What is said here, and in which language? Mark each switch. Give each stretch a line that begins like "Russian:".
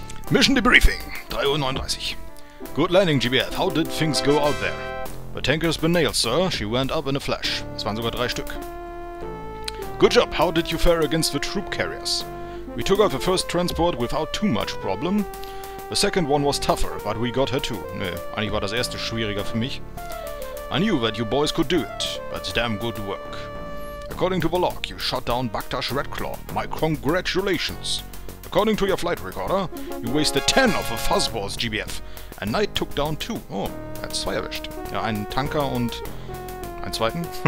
English: Mission debriefing. 3.39 Uhr. Good landing, GBF. How did things go out there? The tanker's been nailed, sir. She went up in a flash.
German: Es waren sogar drei Stück.
English: Good job. How did you fare against the troop carriers? We took out the first transport without too much problem. The second one was tougher, but we got her too.
German: Nö, eigentlich war das erste schwieriger für mich.
English: I knew that you boys could do it, but it's damn good work. According to the log, you shot down Baktash Redclaw. My congratulations. According to your flight recorder, you wasted 10 of the fuzzballs, GBF. And Knight took down 2.
German: Oh, er hat 2 erwischt. Ja, einen Tanker und einen zweiten.